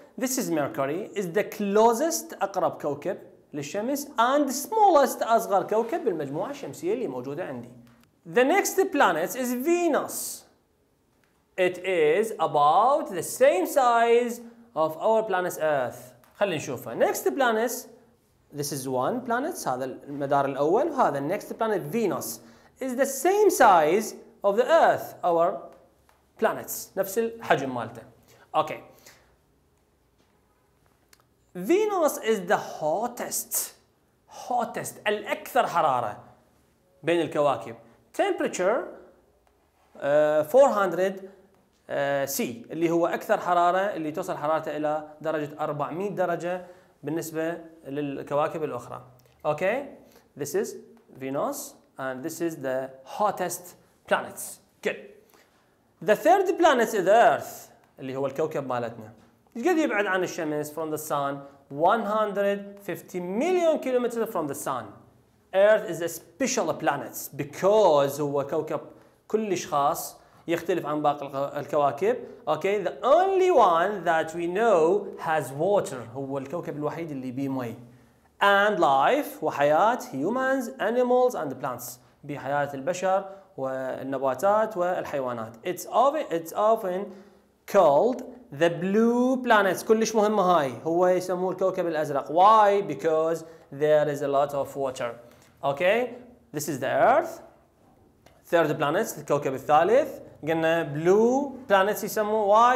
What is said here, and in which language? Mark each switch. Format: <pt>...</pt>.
<en>This is Mercury is the closest</en> <ar>اقرب كوكب للشمس</ar> <en>and smallest</en> <ar>اصغر كوكب بالمجموعة الشمسية اللي موجودة عندي.</ar> <en>The next planet is Venus. It is about the same size of our planet Earth.</en> <ar>خلينا نشوفها.</ar> <en>Next planet, this is one planet,</en> <ar>هذا المدار الأول، وهذا</ar> <en>next planet Venus is the same size of the Earth, our planets،</en> <ar>نفس الحجم مالته.</ar> <en>Okay. Venus is the hottest</en> <ar>الأكثر حرارة بين الكواكب. Temperature 400 سي اللي هو أكثر حرارة، اللي توصل حرارته إلى درجة 400 درجة بالنسبة للكواكب الأخرى.</ar> <en>Okay, this is Venus and this is the hottest planets. Good. The third planet is Earth</en> <ar>اللي هو الكوكب مالتنا. قد يبعد عن الشمس</ar> <en>from the sun 150 million kilometers from the sun. Earth is a special planet because</en> <ar>هو كوكب كلش خاص، يختلف عن باقي الكواكب.</ar> <en>Okay, the only one that we know has water،</en> <ar>هو الكوكب الوحيد اللي بيه مي.</ar> <en>And life،</en> <ar>وحياة،</ar> <en>humans, animals and plants،</en> <ar>بحياة البشر والنباتات والحيوانات.</ar> <en>It's often called the blue planet.</en> <ar>كلش مهمة هاي، هو يسموه الكوكب الأزرق.</ar> <en>Why? Because there is a lot of water. Okay, this is the Earth. Third planet،</en> <ar>الكوكب الثالث، قلنا بلو بلانيتس يسموه.</ar>